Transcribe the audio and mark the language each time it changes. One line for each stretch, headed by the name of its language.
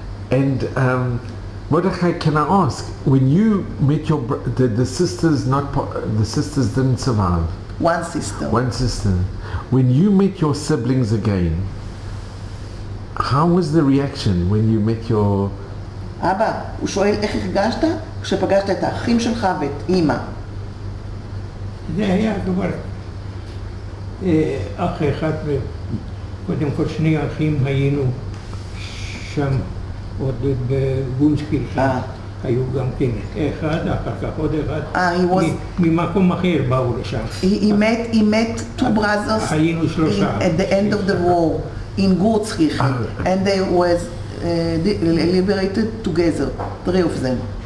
English: And Mordechai, can I ask, when you met your the sisters didn't survive? One sister. When you met your siblings again, how was the reaction when you met your...
Hebrew: Abba, הוא שואל איך הרגשת כשפגשת את האחים שלך ואת אמא? זה היה כבר אח אחד ובן שני. קודם כל שני אחים היינו שם. עוד בגונסקיל שם, היו גם כן אחד, אחר כך עוד אחד, ממקום אחר באו לשם.
English: He met two brothers
Hebrew: היינו שלושה.
English: At the end of the war, in גונסקיל, and they was liberated together, three of them.